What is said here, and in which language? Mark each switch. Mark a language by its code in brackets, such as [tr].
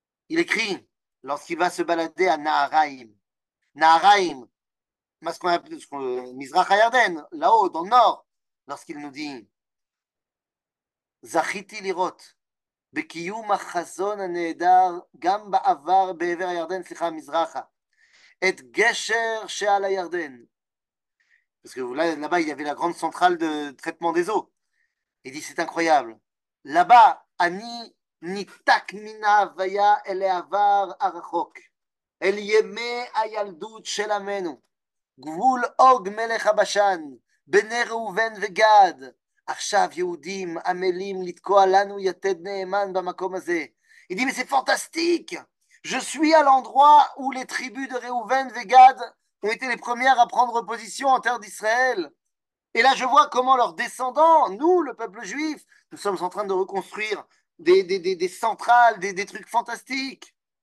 [fr] Il écrit, lorsqu'il va se balader à Naharaïm, Naharaïm, Mizrach HaYarden, là-haut, dans le nord, lorsqu'il nous dit [he] זכיתי לראות בקיום החזון הנהדר גם בעבר בעבר הירדן, סליחה, מזרחה, את גשר שעל הירדן. [fr] Parce que là, là-bas, il y avait la grande centrale de traitement des eaux. Il dit, c'est incroyable. Là-bas, [he] אני ניתק מן ההוויה אל העבר הרחוק, אל ימי הילדות של עמנו, גבול אוג מלך הבשן, בני ראובן וגד. עכשיו יהודים עמלים לתקוע לנו יתד נאמן במקום הזה. [fr] Il dit, mais c'est fantastique! Je suis à l'endroit où les tribus de Réhouven et Gad ont été les premières à prendre position en terre d'Israël. Et là, je vois comment leurs descendants, nous, le peuple juif, nous sommes en train de reconstruire des centrales, des trucs fantastiques.